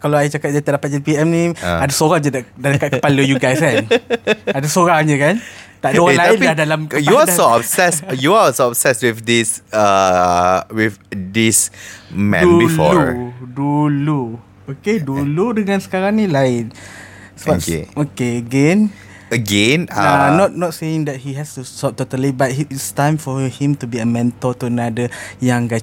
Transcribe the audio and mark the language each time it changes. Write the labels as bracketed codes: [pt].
[ms] Kalau saya cakap dia tak dapat jadi PM ni, ada seorang je dekat kepala [en] you guys [ms] kan. Ada seorang je kan. Tak ada orang lain dah dalam kepala. [en] You are so obsessed. You are so obsessed with this with this man [ms] dulu, [en] before. [ms] Dulu. Okay, dulu dengan sekarang ni lain. Sebab, [en] okay, again. Again, not saying that he has to stop totally, but it's time for him to be a mentor to another young guy.